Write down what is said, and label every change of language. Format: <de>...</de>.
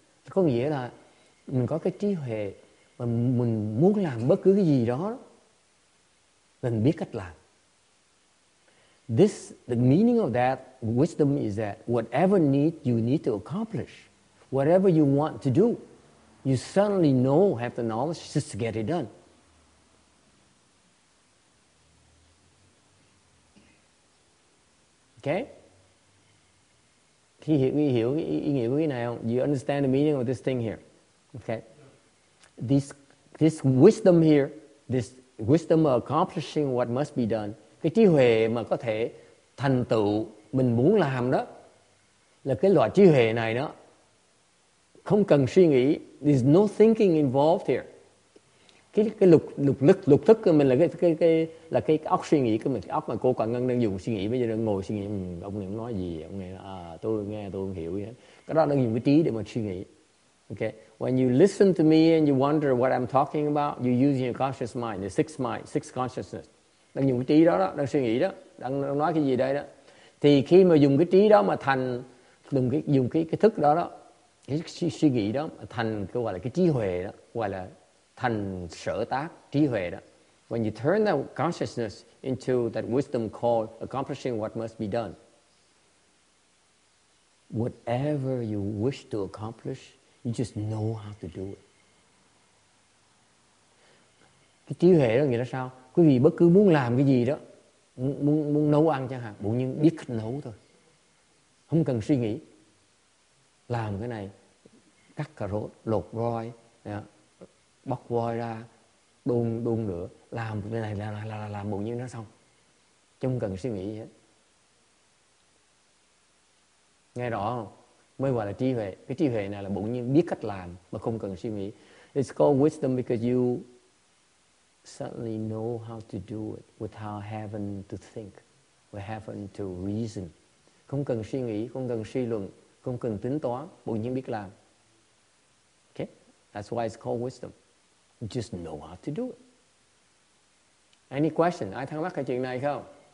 <vi>Có nghĩa là mình có cái trí huệ mà mình muốn làm bất cứ cái gì đó, mình biết cách làm.</vi> <en>This the meaning of that wisdom is that whatever you need to accomplish, whatever you want to do, you suddenly know, have the knowledge just to get it done. Okay?</en> <vi>Hiểu ý nghĩa của cái này không?</vi> <en>You understand the meaning of this thing here? Okay? This wisdom here, this wisdom of accomplishing what must be done,</en> <vi>cái trí huệ mà có thể thành tựu mình muốn làm đó, là cái loại trí huệ này đó, không cần suy nghĩ.</vi> <en>There's no thinking involved here.</en> <vi>Cái lục thức của mình là cái óc suy nghĩ của mình, cái óc mà cô Quảng Ngân đang dùng suy nghĩ, bây giờ đang ngồi suy nghĩ, ông này nói gì, ông này tôi không hiểu gì hết. Cái đó đang dùng cái trí để mà suy nghĩ.</vi> <en>Okay, when you listen to me and you wonder what I'm talking about, you using your conscious mind, the sixth mind, sixth consciousness.</en> <vi>Đang dùng cái trí đó, đang suy nghĩ đó, đang nói cái gì đây đó. Thì khi mà dùng cái trí đó mà thành, dùng cái thức đó đó, cái suy nghĩ đó thành cái gọi là cái trí huệ đó, gọi là thành sở tác trí huệ đó.</vi> <en>When you turn that consciousness into that wisdom called accomplishing what must be done, whatever you wish to accomplish, you just know how to do it.</en> <vi>Cái trí huệ đó nghĩa là sao? Quý vị bất cứ muốn làm cái gì đó, muốn nấu ăn chẳng hạn, bỗng nhiên biết cách nấu thôi, không cần suy nghĩ. Làm cái này, cắt cà rốt, lột roi, bóc voi ra, đun nữa, làm cái này là bộ như nó xong, chứ không cần suy nghĩ gì hết. Nghe rõ không? mới gọi là trí huệ. Cái trí huệ này là bỗng nhiên biết cách làm mà không cần suy nghĩ.</vi> <en>It's called wisdom because you suddenly know how to do it without having to think, without having to reason.</en> <vi>Không cần suy nghĩ, không cần suy luận, không cần tính toán, bỗng nhiên biết làm.</vi> <en>Okay? That's why it's called wisdom. You just know how to do it. Any question?</en> <vi>Ai thắc mắc cái chuyện này không?</vi>